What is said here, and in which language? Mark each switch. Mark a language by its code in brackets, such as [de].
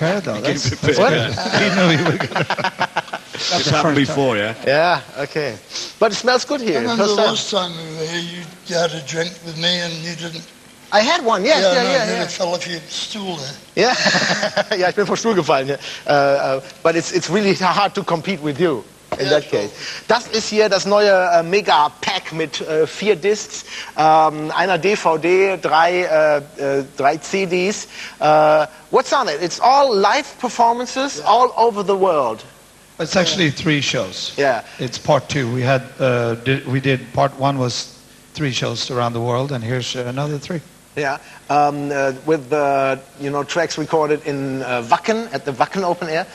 [en] It's happened before, yeah. Yeah. Okay. But it smells good here. Remember the last time we were here, you had a drink with me, and you didn't. I had one. Yes. Yeah. Yeah. No, yeah. It fell off your stool there. Yeah. Yeah. I've been for [de] Stuhl gefallen. [en] But it's really hard to compete with you. In that case. [de] Das ist hier das neue Mega-Pack mit vier Discs, einer DVD, drei CDs. [en] What's on it? It's all live performances all over the world. It's actually three shows. Yeah. It's part two. We had, we did, part one was three shows around the world, and here's another three. Yeah, with the you know tracks recorded in Wacken at the Wacken open air.